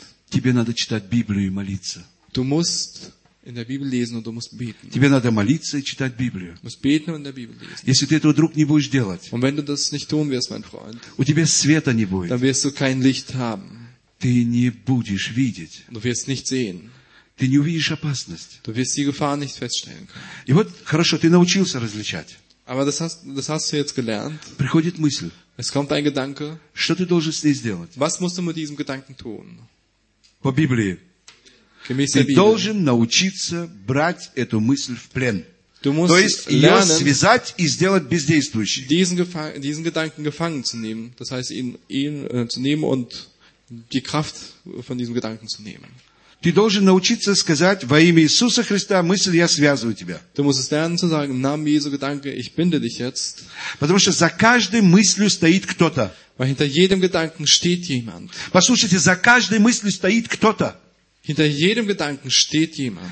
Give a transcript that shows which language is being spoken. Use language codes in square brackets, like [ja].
[ru] Тебе надо читать Библию и молиться. [de] Du musst in der Bibel lesen und du musst beten. [ru] Тебе надо молиться и читать Библию. [de] Du musst beten und in der Bibel lesen. [ru] Если ты этого вдруг не будешь делать, [de] und wenn du das nicht tun wirst, mein Freund, [ru] у тебя света не будет. [de] Dann wirst du kein Licht haben. [ru] Ты не будешь видеть. [de] Du wirst nicht sehen. [ru] Ты не увидишь опасность. [de] Du wirst die Gefahr nicht feststellen können. [ru] И вот, хорошо, ты научился различать. [de] Aber das hast du jetzt gelernt. [ru] Приходит мысль. [de] Es kommt ein Gedanke. [ru] Что ты должен с ней сделать? [de] Was musst du mit diesem Gedanken tun? [ru] По Библии. Ты должен научиться брать эту мысль в плен. То есть ее связать и сделать бездействующей. [de] Diesen Gedanken gefangen zu nehmen. Das heißt, ihn zu nehmen und die Kraft von diesem Gedanken zu nehmen. [ru] Ты должен научиться сказать, во имя Иисуса Христа, мысль, я связываю тебя. [de] Du musst es lernen zu sagen, im Namen Jesu Gedanke, ich binde dich jetzt. [ru] Потому что за каждой мыслью стоит кто-то. [de] Weil hinter jedem Gedanken steht jemand. [ru] Послушайте, за каждой мыслью стоит кто-то. [de] Hinter jedem Gedanken steht jemand.